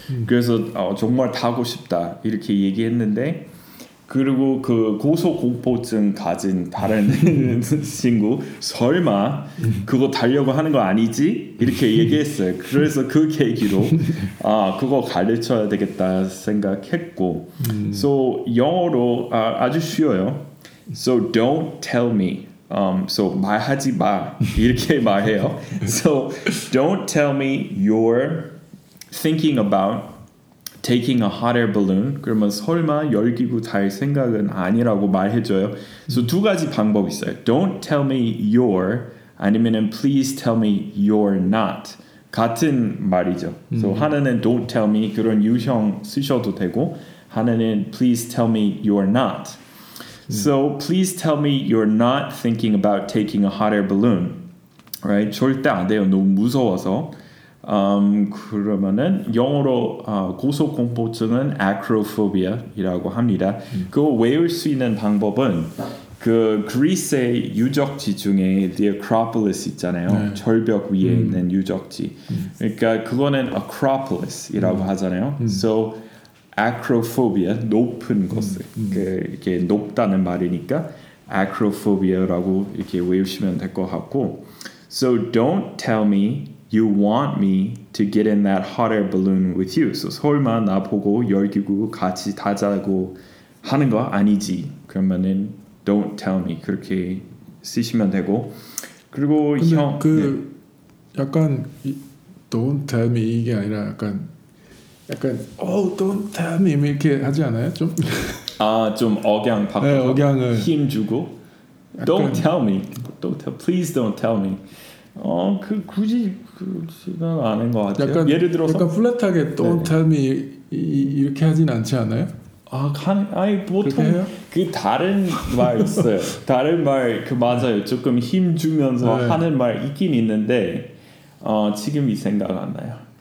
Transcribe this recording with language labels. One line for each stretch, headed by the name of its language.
Korean: 그래서 정말 타고 싶다 이렇게 얘기했는데 그리고 그 고소공포증 가진 다른 친구 설마 그거 달려고 하는 거 아니지? 이렇게 얘기했어요. 그래서 그 계기로 아 그거 가르쳐야 되겠다 생각했고 So 영어로 아주 쉬워요.
English: So don't tell me.
Korean: So 말하지 마 이렇게 말해요.
English: So don't tell me you're thinking about taking a hot air balloon.
Korean: 그러면 설마 열기구 탈 생각은 아니라고 말해줘요. So 두 가지 방법 있어요.
English: Don't tell me you're
Korean: 아니면은
English: please tell me you're not
Korean: 같은 말이죠.
English: So
Korean: 하나는
English: don't tell me
Korean: 그런 유형 쓰셔도 되고 하나는
English: please tell me you're not. So please tell me you're not thinking about taking a hot air balloon, right?
Korean: 절대 안 돼요. 너무 무서워서. 그러면은 영어로 고소공포증은 acrophobia이라고 합니다. 그거 외울 수 있는 방법은 그 그리스의 유적지 중에 the Acropolis 있잖아요. 네. 절벽 위에 있는 유적지. 그러니까 그거는 acropolis이라고 하잖아요. So acrophobia 높은 것을 그 이렇게 높다는 말이니까 acrophobia라고 이렇게 외우시면 될 것 같고.
English: So don't tell me you want me to get in that hot air balloon with you.
Korean: So 설마 나 보고 열기구 같이 타자고 하는 거 아니지? 그러면은 don't tell me 그렇게 쓰시면 되고. 그리고 형 그 네. 약간 don't tell me 이게 아니라 약간 약간 oh don't tell me 이렇게 하지 않아요? 좀 아 좀 억양 바꿔서 네, 억양을 힘 주고 약간,
English: don't tell me don't tell please don't tell me.
Korean: 그 굳이 그건 아닌 것 같아요. 약간, 예를 들어서 약간 플랫하게 Don't 네네. tell me 이렇게 하진 않지 않아요? 아, 아니 보통 그 다른 말 있어요. 다른 말 그 맞아요. 조금 힘 주면서 네. 하는 말 있긴 있는데 지금 이 생각 안 나요.